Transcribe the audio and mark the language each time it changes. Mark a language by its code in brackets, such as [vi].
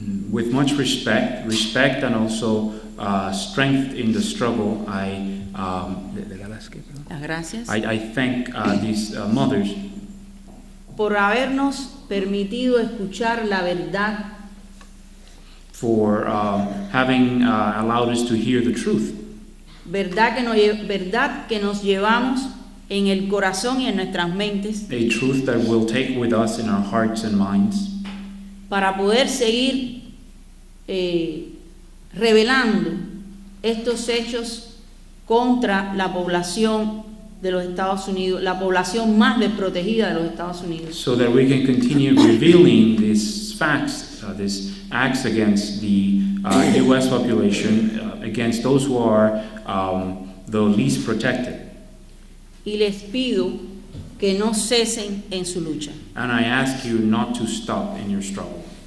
[en] With much respect and also strength in the struggle, I thank these mothers [es] por habernos permitido escuchar la verdad, [en] for having allowed us to hear the truth, [es] verdad que nos llevamos en el corazón y en nuestras mentes, [en] a truth that we'll take with us in our hearts and minds, [es] para poder seguir revelando estos hechos contra la población de los Estados Unidos, la población más desprotegida de los Estados Unidos. [en] So that we can continue revealing these facts, these acts against the U.S. population, against those who are the least protected. [es] Y les pido que no cesen en su lucha. [en] And I ask you not to stop in your struggle.